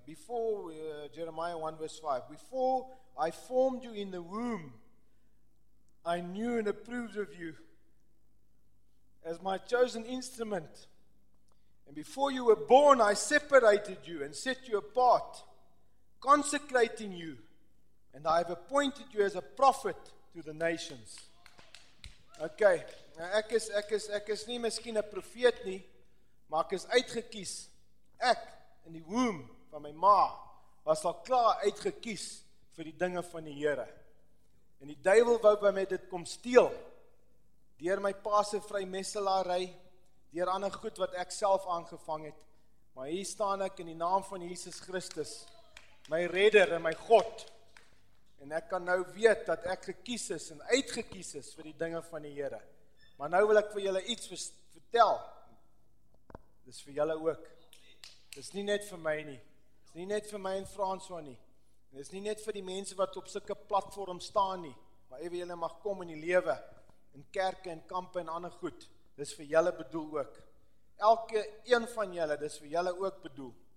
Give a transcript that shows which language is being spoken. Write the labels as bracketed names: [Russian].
[English] Before, Jeremiah 1 verse 5, before I formed you in the womb, I knew and approved of you as my chosen instrument. And before you were born, I separated you and set you apart, consecrating you, and I have appointed you as a prophet to the nations. [Afrikaans] Okay, nou ek is nie miskien 'n profeet nie, maar ek is uitgekies. Ek, in die womb van my ma, was al klaar uitgekies vir die dinge van die Here. En die duiwel wou by my dit kom steel, deur my pa se vrymesselary, deur ander goed wat ek self aangevang het. Maar hier staan ek in die naam van Jesus Christus, my redder en my God. En ek kan nou weet dat ek gekies is en uitgekies is vir die dinge van die Here. Maar nou wil ek vir julle iets vertel. Dis vir julle ook. Dis nie net vir my nie. Dis nie net vir my en Franswa nie. En dis nie net vir die mense wat op sulke platform staan nie. Maar ewe julle mag kom in die lewe, in kerke en kampe en ander goed. Dis vir julle bedoel ook. Elke een van julle, dis vir julle ook bedoel.